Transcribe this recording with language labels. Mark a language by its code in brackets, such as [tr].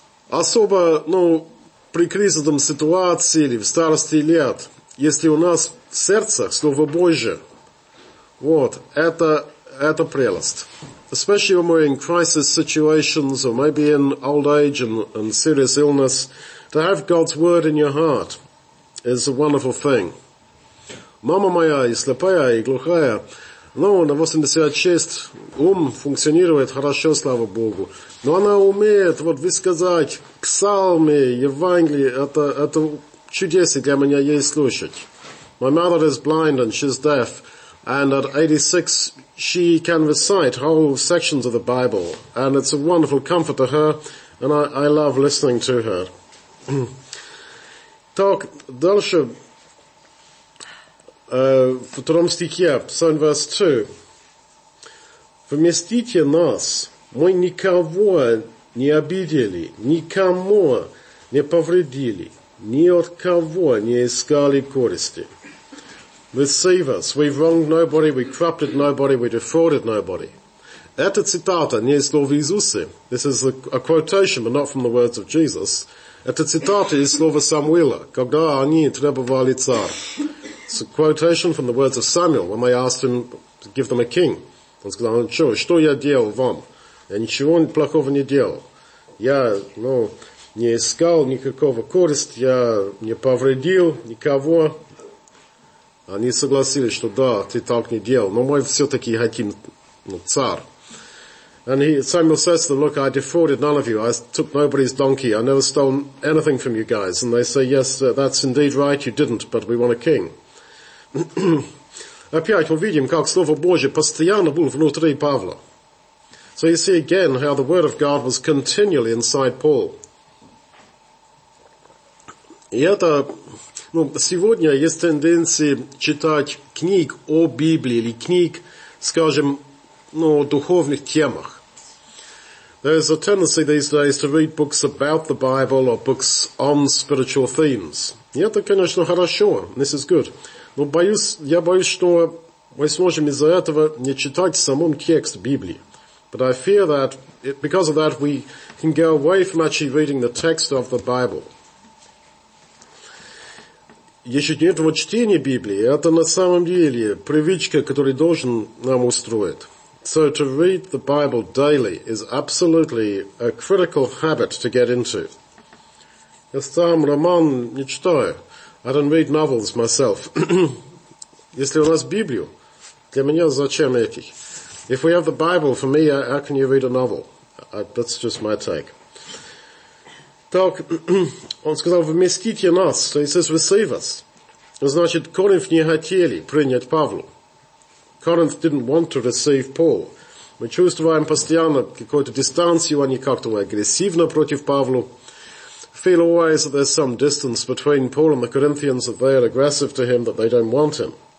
[ru] Особо, ну, при кризисном ситуации или в старости лет, если у нас в сердцах Слово Божие, вот, это прелесть. [en] Especially when we're in crisis situations or maybe in old age and serious illness, to have God's Word in your heart is a wonderful thing. [ru] Мама моя и слепая, и глухая, но на 86 ум функционирует хорошо, слава Богу. Но она умеет вот высказать псалмы, Евангелие, это чудеса для меня ей слушать. [en] My mother is blind and she's deaf, and at 86 she can recite whole sections of the Bible, and it's a wonderful comfort to her, and I love listening to her. [ru] Так, дальше, в втором стихе, Псалм [en] verse 2. [ru] Вместите нас, мы никого не обидели, никому не повредили, ни от кого не искали корости. [en] Receive us. We wronged nobody, we corrupted nobody, we defrauded nobody. [ru] Эта цитата не из слова Иисуса. [en] This is a quotation, but not from the words of Jesus. [ru] Эта цитата из слова Самуила, когда они требовали царя. [en] It's a quotation from the words of Samuel, when they asked him to give them a king. [ru] Он сказал, ничего, что я делал вам? Я ничего плохого не делал. Я, ну, не искал никакого корости, я не повредил никого. Они согласились, что да, ты так не делал, но мы все-таки хотим ну, царь. [en] And Samuel says to them, look, I defrauded none of you, I took nobody's donkey, I never stole anything from you guys. And they say, yes, that's indeed right, you didn't, but we want a king. [ru] Опять мы видим, как Слово Божие постоянно было внутри Павла. [en] So you see again how the Word of God was continually inside Paul. [ru] И это, ну, сегодня есть тенденция читать книг о Библии или книг, скажем, ну, о духовных темах. [en] There's a tendency these days to read books about the Bible or books on spiritual themes. [ru] И это, конечно, хорошо. [en] This is good. [ru] Но боюсь, я боюсь, что мы сможем из-за этого не читать самом текст Библии. [en] But I fear that because of that we can go away from actually reading the text of the Bible. [ru] Ежедневного чтения Библии – это на самом деле привычка, которую должен нам устроить. [en] So to read the Bible daily is absolutely a critical habit to get into. [ru] Я сам роман не читаю. [en] I don't read novels myself. [ru] Если у нас Библию, для меня зачем эти? [en] If we have the Bible, for me, how can you read a novel? That's just my take. [ru] Так, он сказал, вместите нас, то есть [en] receive us. [ru] Значит, Коринф не хотели принять Павла. [en] Коринф didn't want to receive Paul. [ru] Мы чувствуем постоянно какую-то дистанцию, они как-то агрессивно против Павла. [en] Feel always that there's some distance between Paul and the Corinthians, that they are aggressive to him, that they don't want him.